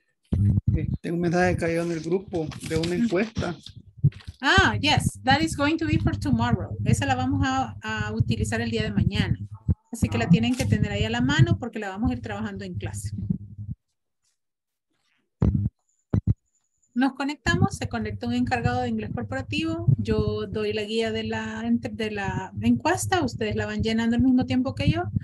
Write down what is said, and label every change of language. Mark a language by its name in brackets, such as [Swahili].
[Spanish] Un mensaje cayó en el grupo de una encuesta. [English] Ah, yes, that is going to be for tomorrow. [Spanish] Esa la vamos a utilizar el día de mañana. Así que la tienen que tener ahí a la mano porque la vamos a ir trabajando en clase. Nos conectamos, se conecta un encargado de inglés corporativo. Yo doy la guía de la encuesta, ustedes la van llenando al mismo tiempo que yo.